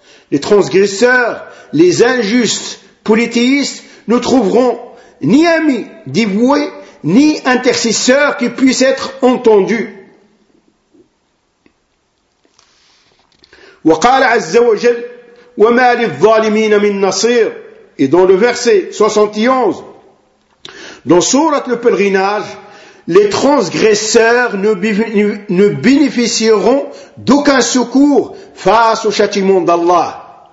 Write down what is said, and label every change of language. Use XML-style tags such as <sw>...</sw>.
<fr>Les transgresseurs, les injustes polythéistes ne trouveront ni ami dévoué, ni intercesseur qui puisse être entendu.</fr> <ar>وقال عز وجل وما للظالمين من نصير.</ar> <fr>Et dans le verset 71, dans Sourate le Pèlerinage, les transgresseurs ne bénéficieront d'aucun secours face au châtiment d'Allah.</fr>